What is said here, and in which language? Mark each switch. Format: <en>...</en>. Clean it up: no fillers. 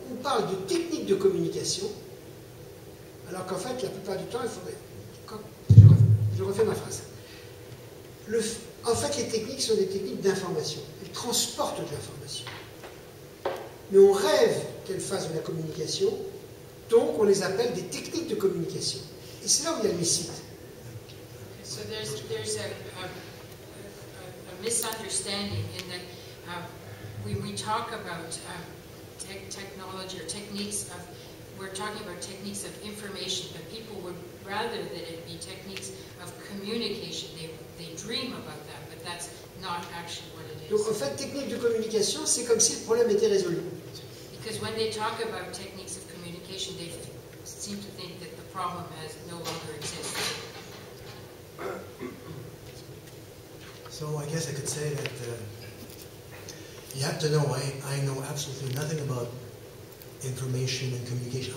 <fr>On parle de technique de communication, alors qu'en fait, la plupart du temps, il faudrait. Je refais ma phrase. En fait, les techniques sont des techniques d'information. Elles transportent de l'information. Mais on rêve qu'elles fassent de la communication, donc on les appelle des techniques de communication. Et c'est là où il y a le mécite.</fr> <en>So there's a misunderstanding in that when we talk about technology or techniques of, we're talking about techniques of information, but people would rather that it be techniques of communication. They dream about that, but that's not actually what it is.</en> <fr>Donc en fait, technique de communication, c'est comme si le problème était résolu.</fr> <en>Because when they talk about techniques of communication, they seem to think that the problem has no longer exists. So I guess I could say that you have to know, I know absolutely nothing about information and communication.</en>